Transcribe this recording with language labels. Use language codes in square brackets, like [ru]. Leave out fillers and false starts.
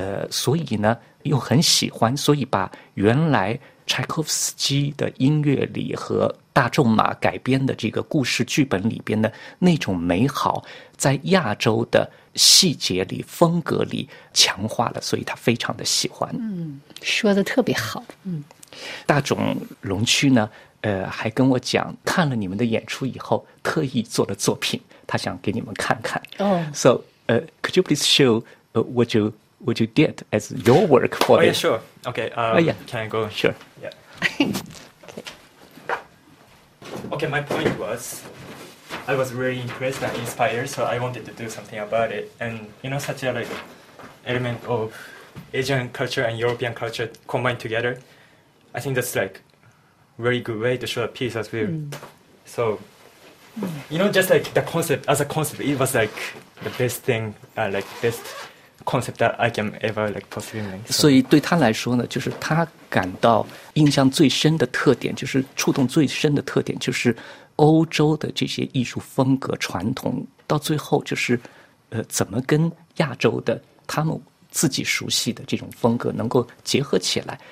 [zh] 所以呢又很喜欢，所以把原来柴可夫斯基的音乐里和大仲马改编的这个故事剧本里边的那种美好在亚洲的细节里风格里强化了，所以他非常的喜欢。嗯，说的特别好。大仲龙区呢还跟我讲看了你们的演出以后特意做的作品，他想给你们看看。 [en] Oh. So, could you please show what you did as your work for this? Oh, yeah, sure. Okay. Yeah. Can I go? Sure. Yeah. Okay, my point was, I was really impressed and inspired, so I wanted to do something about it. And, you know, such a, like, element of Asian culture and European culture combined together, I think that's, like, a really good way to show a piece as well. So, you know, just, like, the concept, as a concept, it was, like, the best thing, like, best concept that I can ever, like, possibly make. So, [zh] 所以对他来说呢，就是他感到印象最深的特点，就是触动最深的特点，就是欧洲的这些艺术风格传统到最后就是怎么跟亚洲的他们自己熟悉的这种风格能够结合起来。